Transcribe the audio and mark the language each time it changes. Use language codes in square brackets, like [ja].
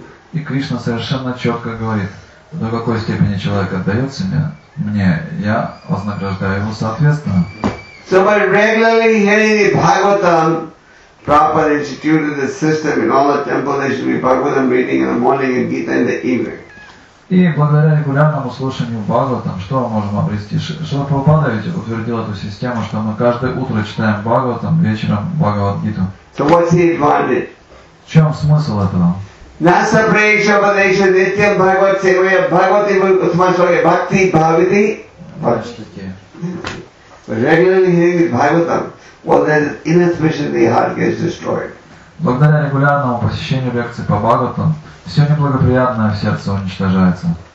[ru] И Кришна совершенно четко говорит, до какой степени человек отдает себя мне, я вознаграждаю его соответственно. [en] So by regularly hearing the Bhagavatam, Prabhupada instituted the system in all the temples, there should be Bhagavatam reading in the morning and Gita in the evening. [ru] И благодаря регулярному слушанию Бхагаватам, что мы можем обрести? Шрила Прабхупада ведь утвердил эту систему, что мы каждое утро читаем Бхагаватам, вечером Бхагавад-гиту. [en] So what's the advantage? [ru] В чем смысл этого? [sa] Наса прейша падеша нитям бхагават севая бхагавати утмашвая бхакти бхавити. [en] Regularly hearing the Bhagavatam, well then inefficiently heart gets destroyed. [ru] Благодаря регулярному посещению лекций по Бхагаватам, все неблагоприятное в сердце уничтожается.